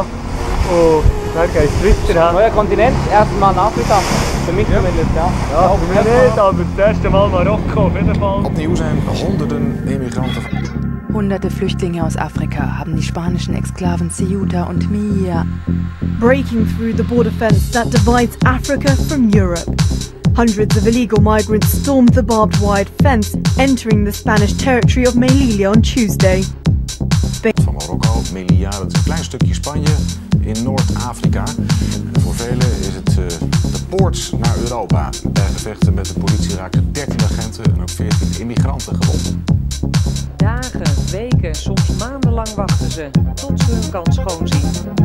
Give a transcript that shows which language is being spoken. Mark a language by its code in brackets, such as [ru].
[de] Und dann geht es weiter. Neuer Kontinent, erstes Mal in Afrika. Für mich zumindest, ja. Ja, für mich nicht, aber das erste Mal Marokko, auf jeden Fall. Opener sind hunderten Immigranten. Hunderte Flüchtlinge aus Afrika haben die spanischen Exklaven Ceuta und Melilla. [en] Breaking through the border fence that divides Africa from Europe. Hundreds of illegal migrants stormed the barbed wire fence, entering the Spanish territory of Melilla on Tuesday. [nl] Van Marokko, Melilla, dat is een klein stukje Spanje in Noord-Afrika. Voor velen is het de poort naar Europa. Bij gevechten met de politie raakten 13 agenten en ook 14 immigranten gewond. Dagen, weken, soms maandenlang wachten ze tot ze hun kans schoon zien.